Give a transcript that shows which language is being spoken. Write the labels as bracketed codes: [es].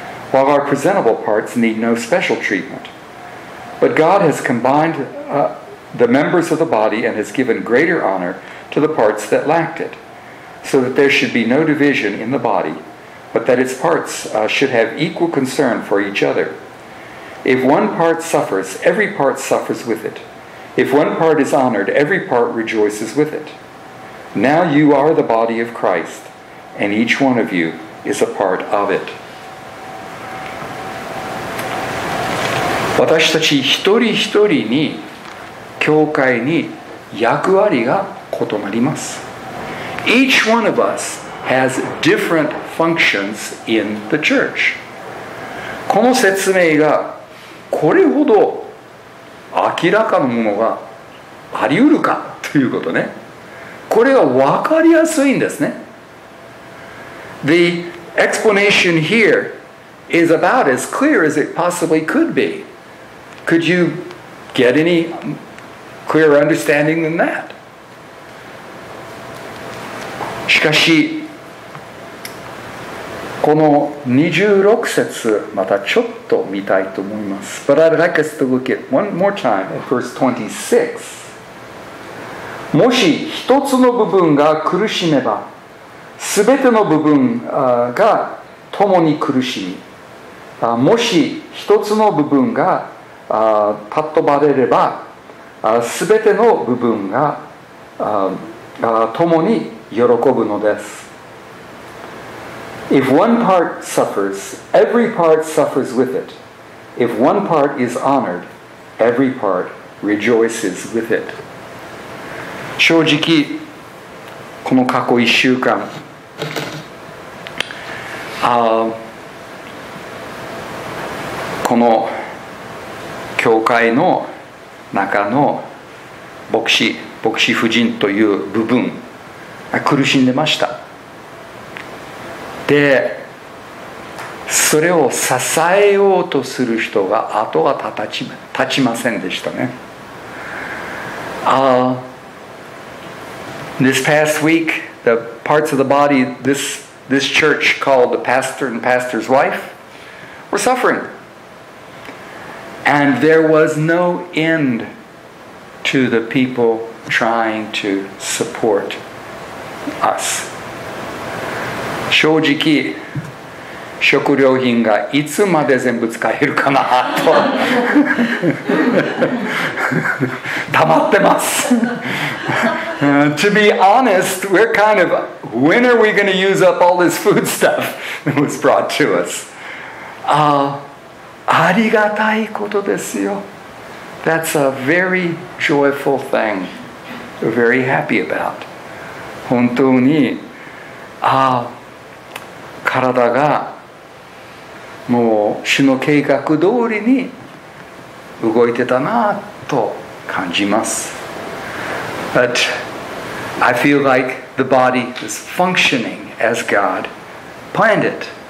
[en] While our presentable parts need no special treatment. But God has combined the members of the body and has given greater honor to the parts that lacked it, so that there should be no division in the body, but that its parts should have equal concern for each other. If one part suffers, every part suffers with it. If one part is honored, every part rejoices with it. Now you are the body of Christ, and each one of you is a part of it. [ja] 私たち一人一人に教会に役割が異なります。 [en] Each one of us has different functions in the church. [ja] この説明がこれほど明らかなものがあり得るかということね。これは分かりやすいんですね。 [en] The explanation here is about as clear as it possibly could be. Could you get any clearer understanding than that? [ja] しかし、この26節、またちょっと見たいと思います。 [en] But I'd like us to look at one more time at verse 26. [ja] もし一つの部分が苦しめば、すべての部分が共に苦しみ。もし一つの部分がパッとばれればすべての部分が共に喜ぶのです。 [en] If one part suffers, every part suffers with it. If one part is honored, every part rejoices with it. [ja] 正直、この過去一週間、この教会の中の牧師夫人という部分苦しんでました。で、それを支えようとする人が後は立ちませんでしたね。 [en] This past week, the parts of the body this church called the pastor and pastor's wife were sufferingAnd there was no end to the people trying to support us. [ja] 正直、食料品がいつまで全部使えるかなと。溜まってます。 [en] To be honest, we're kind of, when are we going to use up all this food stuff that was brought to us? [ja] ありがたいことですよ。 [en] That's a very joyful thing. We're very happy about. [ja] 本当に、体がもう主の計画通りに動いてたなと感じます。 [en] But I feel like the body is functioning as God planned it.